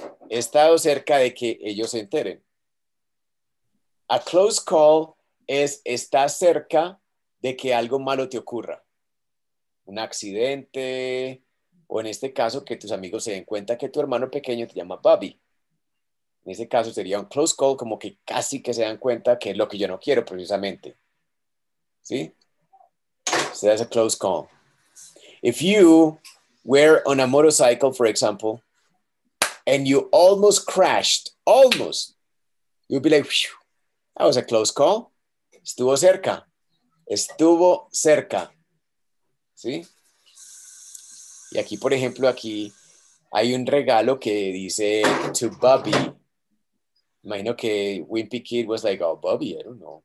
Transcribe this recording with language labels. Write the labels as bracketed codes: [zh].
[es] He estado cerca de que ellos se enteren. A close call es estar cerca de que algo malo te ocurra. Un accidente, o en este caso que tus amigos se den cuenta que tu hermano pequeño te llama Bobby. En ese caso sería un close call, como que casi que se dan cuenta que es lo que yo no quiero precisamente. ¿Sí? [en] So that's a close call. If you were on a motorcycle, for example, and you almost crashed, almost, you'd be like, phew. That was a close call. [es] Estuvo cerca. Estuvo cerca. ¿Sí? Y aquí, por ejemplo, aquí hay un regalo que dice to Bubby. [en] Imagino que Wimpy Kid was like, oh, Bubby, I don't know.